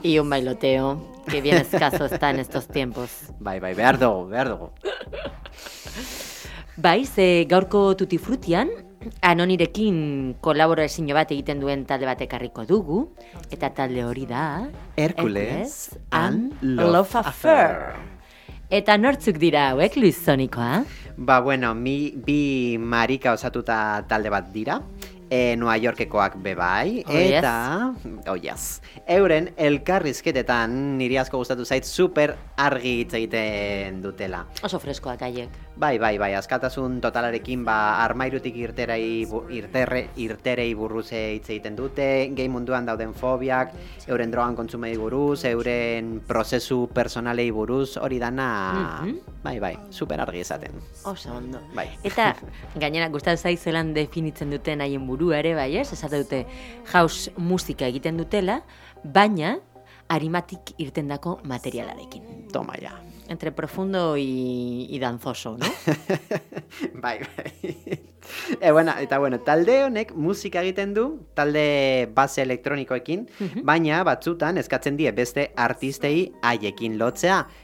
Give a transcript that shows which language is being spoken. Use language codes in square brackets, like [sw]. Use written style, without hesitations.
[es] Y un bailoteo, que bien escaso está en estos tiempos. [eu] Bai, bai, behar dugu, behar dugu. Bai, ze gaurko Tutti Fruttian, Anonirekin kolaborazio bat egiten duen talde bat ekarriko dugu, eta talde hori da [en] Hercules and Love Affair. [eu] Eta nortzuk dira hauek, Luis Sonikoa? Ba, bueno, bi marika osatuta talde bat dira, Nueva Yorkekoak bebai, eta, [en] oh yes, [eu] euren elkarrizketetan niri asko gustatu zait super argi hitz egiten dutela. Oso freskoak haiek. Bai, bai, bai, askatasun totalarekin ba armairutik irterei buruz hitz egiten dute, gehi munduan dauden fobiak, euren drogan kontsumei buruz, euren prozesu personalei buruz, hori dana, bai, bai, super argi esaten. Oso ondo. Bai. Eta gainera gustatu zait zelan definitzen duten haien burua ere, bai, ez? Esate dute house musika egiten dutela, baina arimatik irtendako materialarekin. [es] Toma ya. Entre profundo y danzoso, ¿no? [eu] Bai, bai. Bueno, eta bueno, talde honek musika egiten du, talde base elektronikoekin, baina batzutan eskatzen die beste artistei haiekin lotzea.